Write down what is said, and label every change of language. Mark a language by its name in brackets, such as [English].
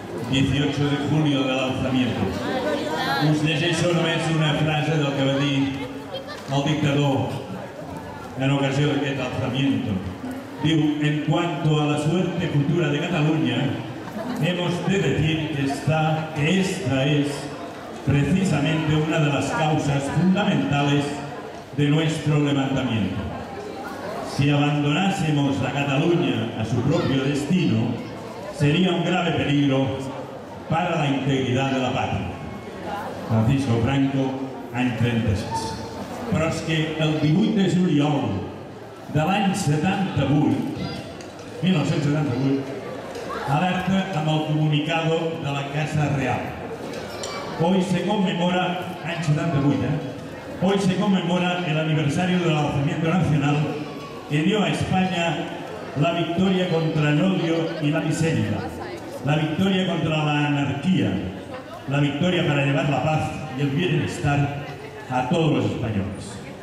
[Spanish] 18 de junio de lanzamiento. [Catalan] Us llegeixo només una frase del que va dir el dictador en ocasió d'aquest lanzamiento. Diu, [Spanish] en cuanto a la suerte futura de Cataluña, hemos de decir que está, que esta es precisamente una de las causas fundamentales de nuestro levantamiento. Si abandonásemos a Cataluña a su propio destino, sería un grave peligro para la integridad de la patria. [Catalan] Francisco Franco, any 36. Però és que el 18 de juliol de l'any 78, 1978, alerta amb el [Spanish] comunicado de la Casa Real. Hoy se conmemora, [Catalan] any 78, [Spanish] hoy se conmemora el aniversario del alzamiento nacional que dio a España la victoria contra el odio y la miseria, la victoria contra la anarquía, la victoria para llevar la paz y el bienestar a todos los españoles.